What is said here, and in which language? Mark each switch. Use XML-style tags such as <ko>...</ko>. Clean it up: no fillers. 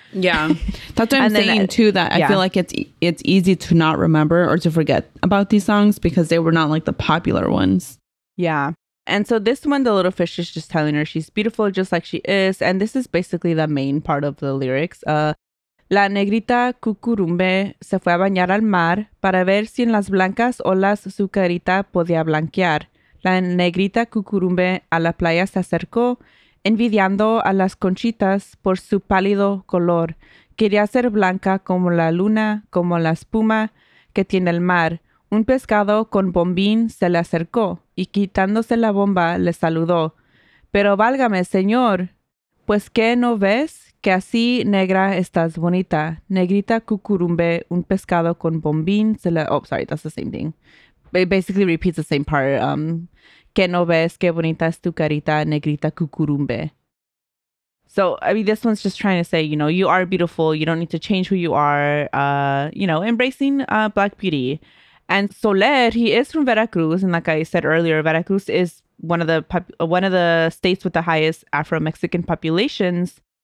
<en>Yeah. That's what I'm saying, too, that I feel like it's easy to not remember or to forget about these songs because they were not like the popular ones. Yeah. And so this one, the little fish is just telling her she's beautiful just like she is. And this is basically the main part of the lyrics.</en> <es>La negrita cucurumbe se fue a bañar al mar para ver si en las blancas olas su carita podía blanquear. La negrita cucurumbe a la playa se acercó, envidiando a las conchitas por su pálido color. Quería ser blanca como la luna, como la espuma que tiene el mar. Un pescado con bombín se le acercó y quitándose la bomba le saludó. Pero válgame, señor, pues que no ves que así negra estás bonita. Negrita cucurumbe, un pescado con bombín se le...</es> <en>Oh, sorry, that's the same thing. It basically repeats the same part.</en> <es>Que no ves que bonita es tu carita, negrita cucurumbe.</es> <en>So, I mean, this one's just trying to say, you know, you are beautiful. You don't need to change who you are. You know, embracing black beauty. And Soler, he is from Veracruz, and like I said earlier, Veracruz is one of the states with the highest Afro-Mexican populations.</en>